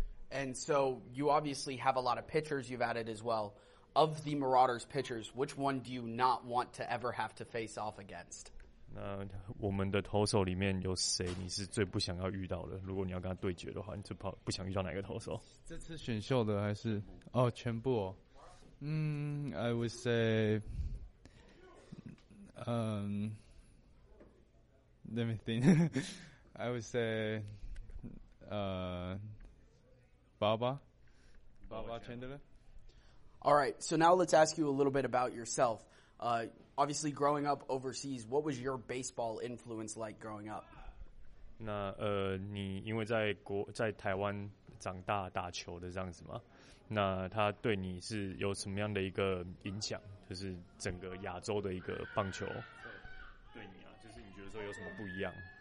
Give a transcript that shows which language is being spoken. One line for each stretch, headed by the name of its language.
English: And so you obviously have a lot of pitchers you've added as well. Of the Marauders pitchers, which one do you not want to ever have to face off against?
Chinese: 那我们的投手里面有谁你是最不想要遇到的？如果你要跟他对决的话，你最不想遇到哪个投手？这次选秀的还是哦，全部哦。
English: I would say, let me think. I would say, Baba Chandler. All right, so now let's ask you a little bit about yourself. Obviously, growing up overseas, what was your baseball influence like growing up?
Chinese: 那你因为在台湾长大打球的这样子吗？那他对你是有什么样的一个影响？就是整个亚洲的一个棒球，对你啊，就是你觉得说有什么不一样？